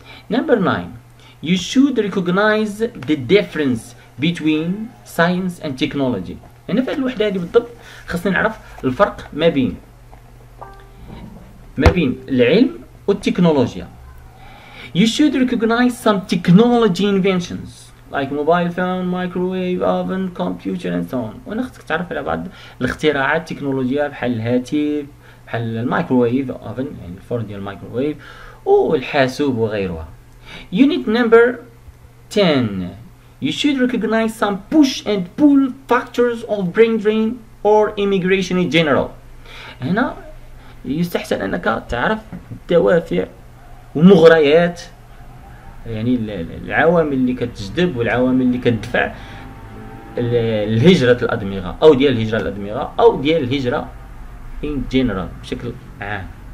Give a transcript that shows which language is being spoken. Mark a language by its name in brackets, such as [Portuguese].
[English] Number 9، you should recognize the difference between science and technology. [Arabic] هنا في هذه الوحدة هذه بالضبط خصني نعرف الفرق ما بين العلم والتكنولوجيا. [English] You should recognize some technology inventions like mobile phone, microwave oven, computer and so on. [Arabic] وانا خصك تعرف على بعض الاختراعات التكنولوجية بحال الهاتف، بحال المايكروويف اوفن، يعني الفرن ديال المايكروويف، والحاسوب وغيرها. [English] Unit number 10، 10. You should recognize some push and pull factors of brain drain or immigration in general. [Arabic] هنا يستحسن انك تعرف الدوافع ومغريات، يعني العوامل اللي كتجذب والعوامل اللي كتدفع الهجرة الأدمغة او ديال الهجرة الأدمغة او ديال الهجرة [English] in general [Arabic] بشكل عام.